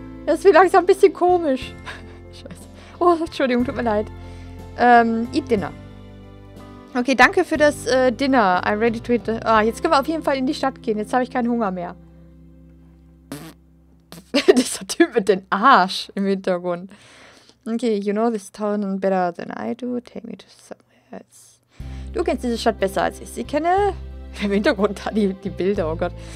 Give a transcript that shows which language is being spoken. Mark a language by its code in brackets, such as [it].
[de] Das wird langsam ein bisschen komisch. Scheiße. Oh, Entschuldigung, tut mir leid. [en] Eat dinner. [de] Okay, danke für das Dinner. [en] I'm ready to eat. [de] Ah, jetzt können wir auf jeden Fall in die Stadt gehen. Jetzt habe ich keinen Hunger mehr. Dieser Typ mit dem Arsch im Hintergrund. [en] Okay, you know this town better than I do. Take me to somewhere else. [de] Du kennst diese Stadt besser als ich sie kenne. Im Hintergrund da die Bilder, oh Gott.